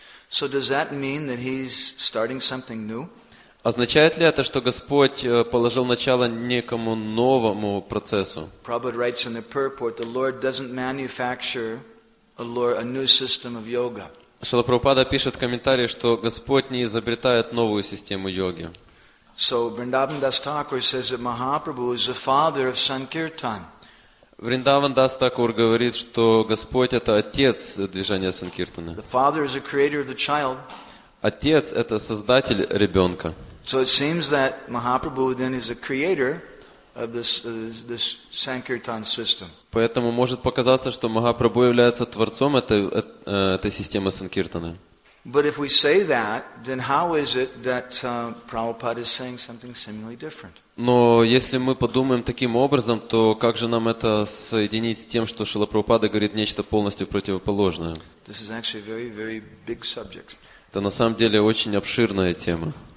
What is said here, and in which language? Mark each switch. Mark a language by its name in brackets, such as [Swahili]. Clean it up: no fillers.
[English] So does that mean that he's starting something new? [Russian] Означает ли это, что Господь положил начало некому новому процессу? [English] Prabhupada writes in the purport, the Lord doesn't manufacture a new system of yoga. [Russian] Шрила Прабхупада пишет в комментарии, что Господь не изобретает новую систему йоги. [English] So Vrindavan Das Thakur says that Mahaprabhu is the father of Sankirtan. [Russian] Vrindavan Das Thakur говорит, что Господь это отец движения Санкиртаны. [English] The father is the creator of the child. [Russian] Отец – это создатель ребенка. [English] So it seems that Mahaprabhu then is the creator of this Sankirtan system. [Russian] Поэтому может показаться, что Махапрабху является творцом этой системы Санкиртаны. [English] But if we say that, then how is it that Prabhupada is saying something seemingly different? [Russian] Но если мы подумаем таким образом, то как же нам это соединить с тем, что Шрила Прабхупада говорит нечто полностью противоположное? [English] This is actually a very, very big subject. [Russian] Это на самом деле очень обширная тема.